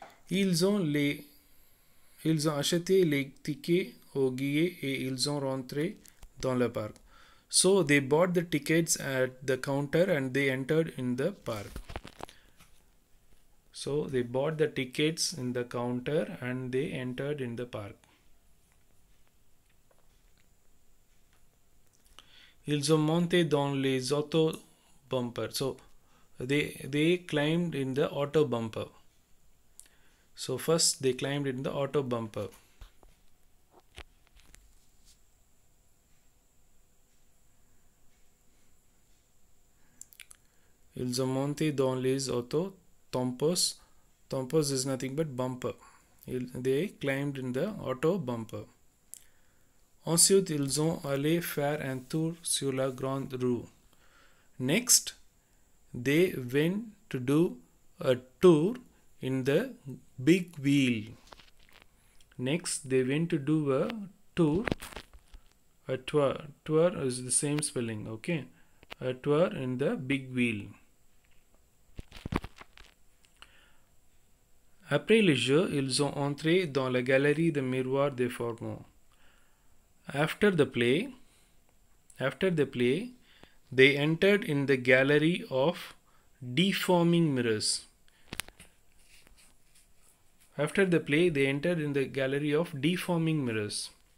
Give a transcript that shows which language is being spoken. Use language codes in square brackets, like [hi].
[fr] Ils ont acheté les tickets au guichet et ils ont rentré dans le parc. [en] So they bought the tickets at the counter and they entered in the park. So they bought the tickets in the counter and they entered in the park. [fr] Ils ont monté dans les auto bumper. [en] So they climbed in the auto bumper. So first they climbed in the auto bumper. [fr] Ils ont monté dans les auto tompos. [en] Tompos is nothing but bumper. They climbed in the auto bumper. [fr] Ensuite, ils ont allé faire un tour sur la grande rue. [en] Next, they went to do a tour in the big wheel. Next, they went to do a tour. A tour. Tour is the same spelling, okay? A tour in the big wheel. [fr] Après le jeu, ils ont entré dans la galerie de miroir des formes. [en] After the play, they entered in the gallery of deforming mirrors. After the play, they entered in the gallery of deforming mirrors.